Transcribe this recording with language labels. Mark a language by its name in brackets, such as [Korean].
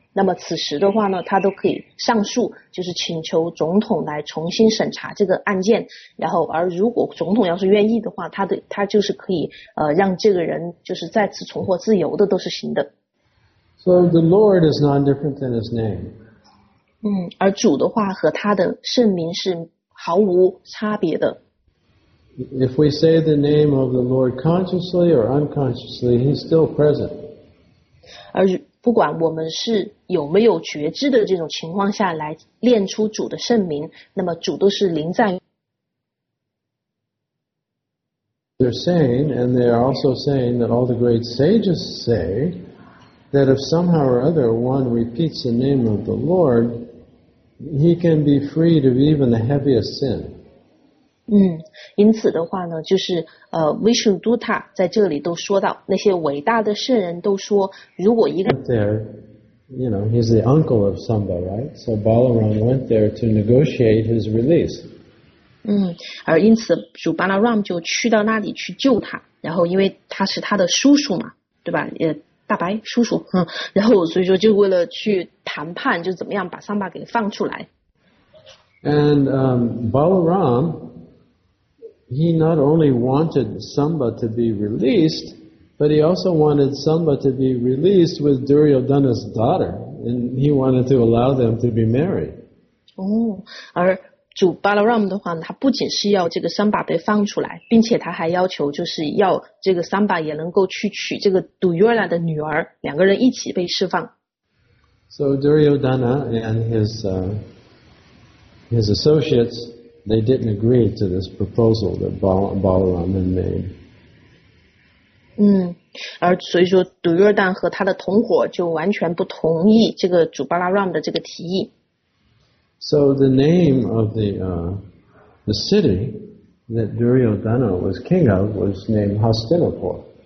[Chinese] 那么此时的话呢他都可以上诉就是请求总统来重新审查这个案件然后而如果总统要是愿意的话他就是可以让这个人就是再次重获自由的都是行的。 [English] So the Lord is not different than his name. [Chinese] 而主的话和他的圣名是毫无差别的。 [English] If we say the name of the Lord consciously or unconsciously, he's still present. [Chinese] 而不管我们是有没有觉知的这种情况下来练出主的圣名，那么主都是临在。 [English] They're saying, and they are also saying that all the great sages say that if somehow or other one repeats the name of the Lord, he can be freed of even the heaviest sin. [Chinese] 因此的话呢就是Vishnu Dutta 在这里都说到那些伟大的圣人都说如果一个 [English] there, you know, he's the uncle of Samba, right? So Balaram went there to negotiate his release. [Chinese] 而因此主 Balaram 就去到那里去救他然后因为他是他的叔叔嘛对吧也大白叔叔然后所以说就为了去谈判就怎么样把 Samba 给放出来。 [English] And, Balaram,He not only wanted Samba to be released, but he also wanted Samba to be released with Duryodhana's daughter, and he wanted to allow them to be married. [Chinese] 而主 Balaram 的话呢，他不仅是要这个 Samba 被放出来，并且他还要求就是要这个 Samba 也能够去娶这个 Duryodhana 的女儿，两个人一起被释放。 [English] So Duryodhana and his associates. They didn't agree to this proposal that Balaram had made. [Chinese] 而所以说杜约旦和他的同伙就完全不同意这个主巴拉拉姆的这个提议。 [English] So the name of the city that Duryodhana was king of was named Hastinapur.